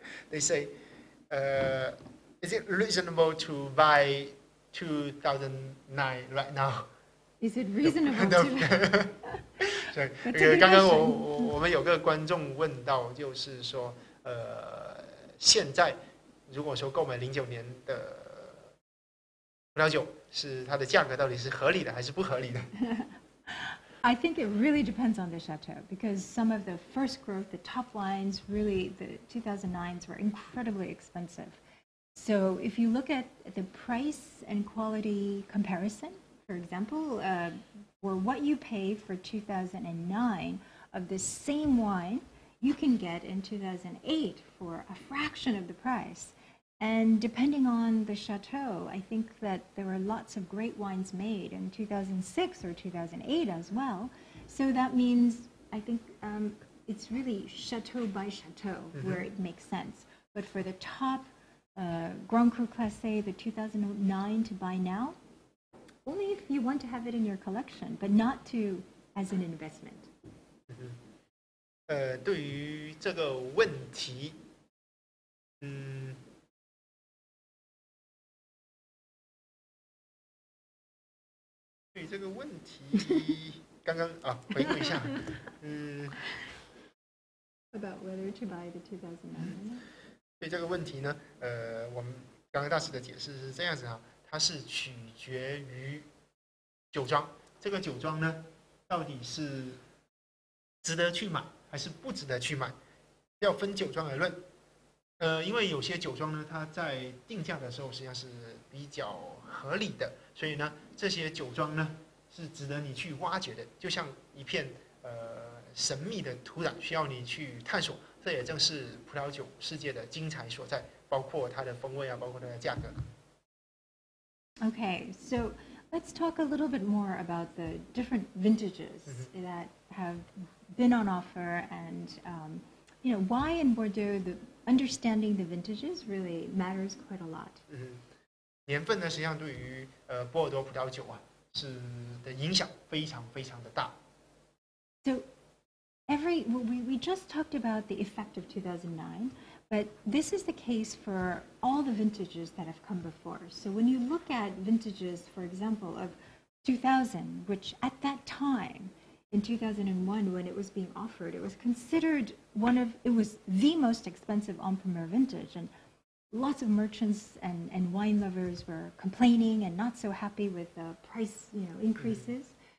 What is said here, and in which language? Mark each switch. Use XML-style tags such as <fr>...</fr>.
<en>They say, is it reasonable to buy 2009 right now? Is it reasonable to buy?</en> <zh>对，刚刚我们有个观众问到，就是说，现在如果说购买2009年的葡萄酒，是它的价格到底是合理的还是不合理的？</zh> <en>I think it really depends on the chateau because some of the first growth, the top wines, really the 2009s were incredibly expensive. So if you look at the price and quality comparison, for example, or what you pay for 2009 of the same wine, you can get in 2008 for a fraction of the price. And depending on the chateau, I think that there are lots of great wines made in 2006 or 2008 as well. So that means, I think it's really chateau by chateau where it makes sense. But for the top Grand Cru Classé, the 2009 to buy now, only if you want to have it in your collection, but not to as an investment.</en> <zh>对于这个问题，对于这个问题，刚刚啊，回顾一下，</zh> <en>About whether to buy the 2009.</en> <zh>对这个问题呢，我们刚刚大师的解释是这样子啊，它是取决于酒庄，这个酒庄呢，到底是值得去买。还是不值得去买，要分酒庄而论。因为有些酒庄呢，它在定价的时候实际上是比较合理的，所以呢，这些酒庄呢是值得你去挖掘的，就像一片神秘的土壤，需要你去探索。这也正是葡萄酒世界的精彩所在，包括它的风味啊，包括它的价格。</zh> <en>Okay, so let's talk a little bit more about the different vintages that have been on offer, and you know why in Bordeaux the understanding the vintages really matters quite a lot.</en> <zh>年份呢，实际上对于波尔多葡萄酒啊，是的影响非常非常的大。</zh> <en>So we just talked about the effect of 2009, but this is the case for all the vintages that have come before. So when you look at vintages, for example, of 2000, which at that time. In 2001, when it was being offered, it was considered it was the most expensive Ampremer vintage, and lots of merchants and wine lovers were complaining and not so happy with the price, you know, increases.</en>